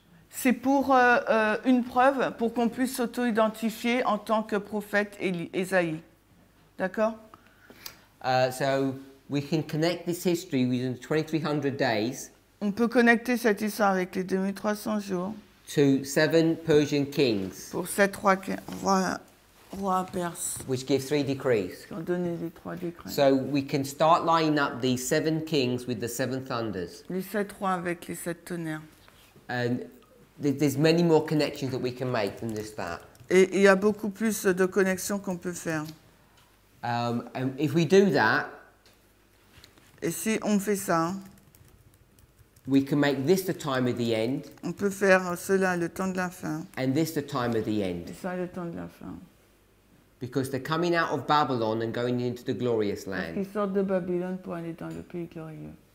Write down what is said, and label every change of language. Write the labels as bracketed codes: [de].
[fr] C'est pour une preuve pour qu'on puisse s'auto-identifier en tant que prophète Esaïe. D'accord? [en] So we can connect this history within 2300 days. [fr] On peut connecter cette histoire avec les 2300 jours. [en] To seven Persian kings. [fr] Pour sept rois perses. [en] Which give three decrees. [fr] Qui ont donné les trois décrets. [en] So we can start lining up these seven kings with the seven thunders. [fr] Les sept rois avec les sept tonnerres. [en] And there's many more connections that we can make than just that. [fr] Et il y a beaucoup plus de connexions qu'on peut faire. [en] And if we do that, [fr] et si on fait ça, [en] we can make this the time of the end. [fr] On peut faire cela le temps de la fin. [en] And this the time of the end. [fr] Ça le temps de la fin. [en] Because they're coming out of Babylon and going into the glorious land. [fr] Parce qu'ils sortent de Babylone pour aller dans le pays glorieux.